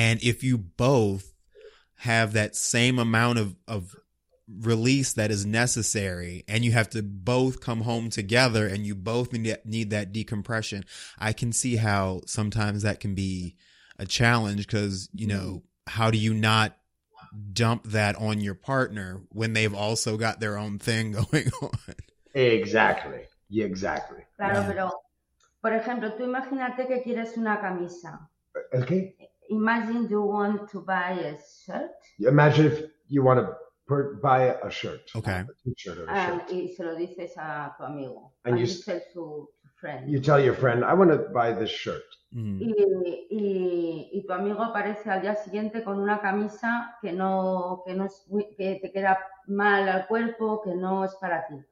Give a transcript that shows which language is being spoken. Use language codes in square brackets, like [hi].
[en] And if you both have that same amount of release that is necessary, and you have to both come home together, and you both need that decompression, I can see how sometimes that can be a challenge, because, you know, how do you not dump that on your partner when they've also got their own thing going on? Exactly. Yeah, exactly. [es] Claro, pero, por ejemplo, tú imagínate que quieres una camisa. [en] Okay. Imagine you want to buy a shirt. Imagine if you want to buy a shirt. Okay. A t-shirt or a shirt. [es] Y se lo dices a tu amigo. [en] And you tell to friend. You tell your friend, I want to buy this shirt. [es] Y tu amigo aparece al día siguiente con una camisa que te queda mal al cuerpo, que no es para ti.